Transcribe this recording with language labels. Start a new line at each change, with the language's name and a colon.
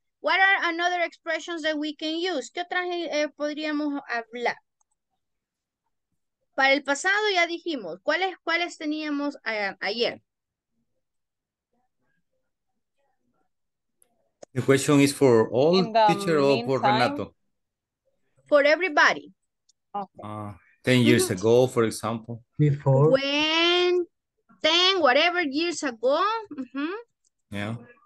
English: What are another expressions that we can use?
Spanish: ¿Qué otras podríamos hablar? Para el pasado ya dijimos, ¿cuáles teníamos ayer?
English: The question is for all teacher or for Renato? For everybody. Okay. 10 years ago, for example. Before. When 10, whatever years ago. Mm-hmm. Yeah.